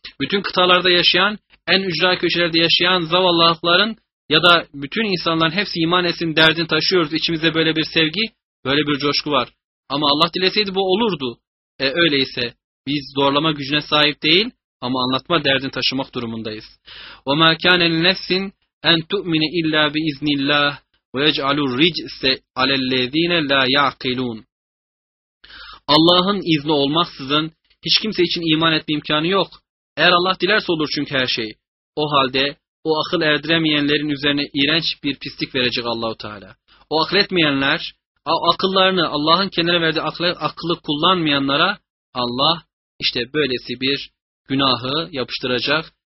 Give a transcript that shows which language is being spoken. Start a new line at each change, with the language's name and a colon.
Turkish: Bütün kıtalarda yaşayan, en ücra köşelerde yaşayan zavallı halkların ya da bütün insanların hepsi iman etsin derdini taşıyoruz. İçimizde böyle bir sevgi, böyle bir coşku var. Ama Allah dileseydi bu olurdu. Öyleyse biz zorlama gücüne sahip değil ama anlatma derdini taşımak durumundayız.
Arabic: وَمَا كَانَ لِنَفْسٍ اَنْ تُؤْمِنِ اِلَّا بِاِذْنِ اللّٰهِ وَيَجْعَلُ الرِّجْسَ عَلَى الَّذ۪ينَ لَا يَعْقِلُونَ
Turkish: Allah'ın izni olmaksızın hiç kimse için iman etme imkanı yok. Eğer Allah dilerse olur çünkü her şey. O halde o akıl erdiremeyenlerin üzerine iğrenç bir pislik verecek Allah-u Teala. O akletmeyenler akıllarını Allah'ın kendine verdiği akıllı kullanmayanlara Allah işte böylesi bir günahı yapıştıracak.